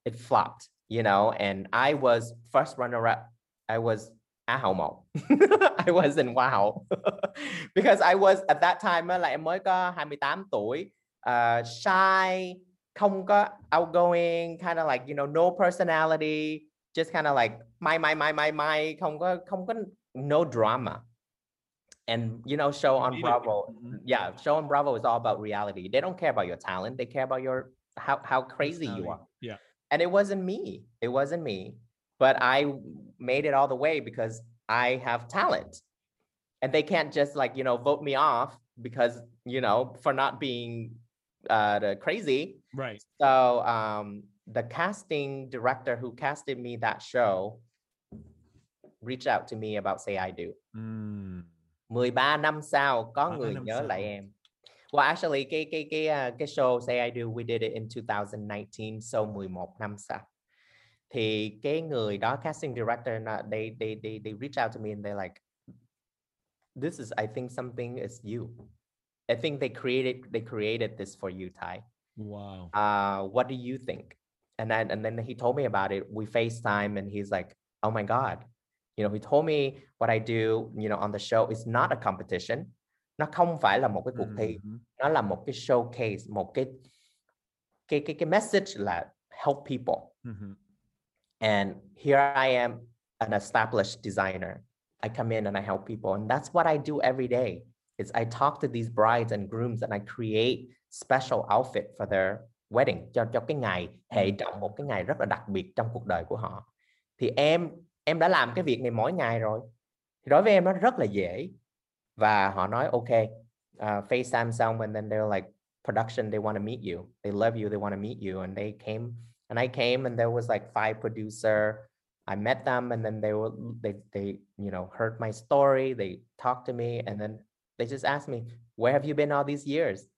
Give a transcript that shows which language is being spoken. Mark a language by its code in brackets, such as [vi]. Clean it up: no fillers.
[en] It flopped, you know, and I was first runner-up. I was A Hậu Mậu. I was in Hoa Hậu. Because I was, at that time, là em mới có 28 tuổi. Shy, không có outgoing, kind of like, you know, no personality. Just kind of like, my, không có no drama. And you know, show on Bravo, yeah, show on Bravo is all about reality. They don't care about your talent. They care about your how crazy you are. Yeah. And it wasn't me. It wasn't me. But I made it all the way because I have talent. And they can't just like, you know, vote me off because, you know, for not being crazy. Right. So the casting director who casted me that show reached out to me about Say I Do. Mm. [vi] 13 năm sau có người nhớ lại em. [en] Well, actually cái show Say I Do, we did it in 2019, so 11 năm sau. Thì cái người đó casting director, they reach out to me and they like, this is, I think something is you. I think they created this for you, Thái. Wow. What do you think? And then he told me about it. We FaceTime and he's like, "Oh my god." You know, he told me what I do, you know, on the show is not a competition. [vi] Nó không phải là một cái cuộc thi. Mm-hmm. Nó là một cái showcase, một cái message là help people. Mm-hmm. [en] And here I am, an established designer. I come in and I help people. And that's what I do every day. It's I talk to these brides and grooms and I create special outfit for their wedding. [vi] Cho cái ngày hệ trọng, một cái ngày rất là đặc biệt trong cuộc đời của họ. Thì em đã làm cái việc này mỗi ngày rồi. Thì đối với em nó rất là dễ. [en] Và họ nói ok, FaceTime xong, and then they're like, production, they want to meet you. They love you, they want to meet you. And they came, and I came, and there was like 5 producer. I met them, and then they you know, heard my story. They talked to me, and then they just asked me, where have you been all these years?